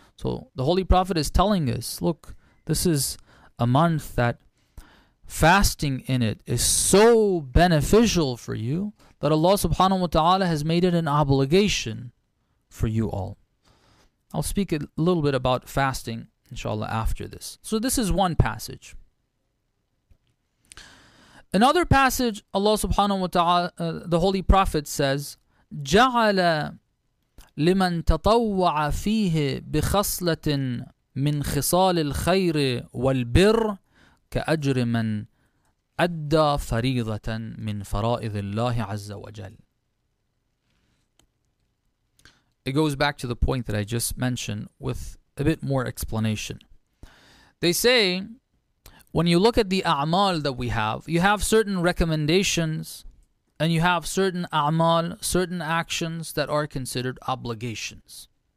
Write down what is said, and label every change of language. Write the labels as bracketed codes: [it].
[en] So the Holy Prophet is telling us, look, this is a month that fasting in it is so beneficial for you that Allah subhanahu wa ta'ala has made it an obligation for you all. I'll speak a little bit about fasting, inshallah, after this. So this is one passage. Another passage, Allah subhanahu wa ta'ala, the Holy Prophet says, [ar] جَعَلَ لِمَن تَطَوَّعَ فِيهِ بِخَصْلَةٍ مِنْ خِصَالِ الْخَيْرِ وَالْبِرِّ كَأَجْرِ مَنْ أَدَّى فَرِيضَةً مِنْ فَرَائِضِ اللَّهِ عَزَّ وَجَلَّ. [en] It goes back to the point that I just mentioned with a bit more explanation. They say, when you look at the a'mal that we have, you have certain recommendations and you have certain a'mal, certain actions that are considered obligations.